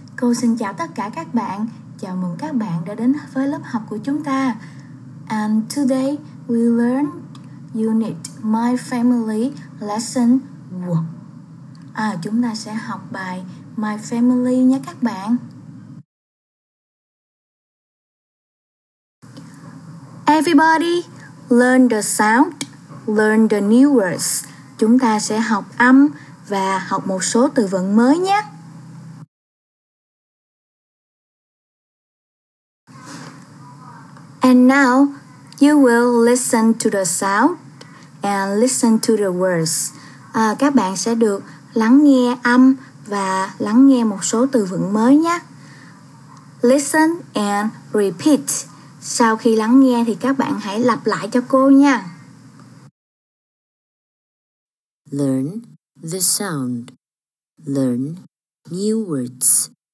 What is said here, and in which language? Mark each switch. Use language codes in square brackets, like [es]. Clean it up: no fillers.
[vi] Cô xin chào tất cả các bạn, chào mừng các bạn đã đến với lớp học của chúng ta. [en] And today we learn unit My Family lesson 1. [vi] Chúng ta sẽ học bài My Family nha các bạn. [en] Everybody, learn the sound, learn the new words. [vi] Chúng ta sẽ học âm và học một số từ vựng mới nhé. [en] And now, you will listen to the sound and listen to the words. [vi] Các bạn sẽ được lắng nghe âm và lắng nghe một số từ vựng mới nhé. [en] Listen and repeat. [vi] Sau khi lắng nghe thì các bạn hãy lặp lại cho cô nha. [en] Learn the sound. Learn new words.